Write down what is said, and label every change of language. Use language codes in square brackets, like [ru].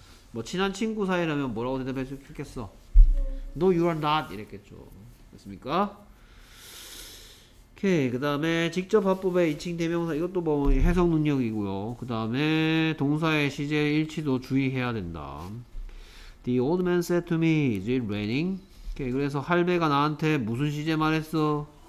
[ko] 뭐 친한 친구 사이라면 뭐라고 대답했겠어? [en] No, you are not [ko] 이랬겠죠. 됐습니까? 오케이. 그 다음에 직접 합법의 2층 대명사 이것도 뭐 해석 능력이고요. 그 다음에 동사의 시제 일치도 주의해야 된다. [en] The old man said to me, is it raining? [ko] 오케이. 그래서 할배가 나한테 무슨 시제 말했어?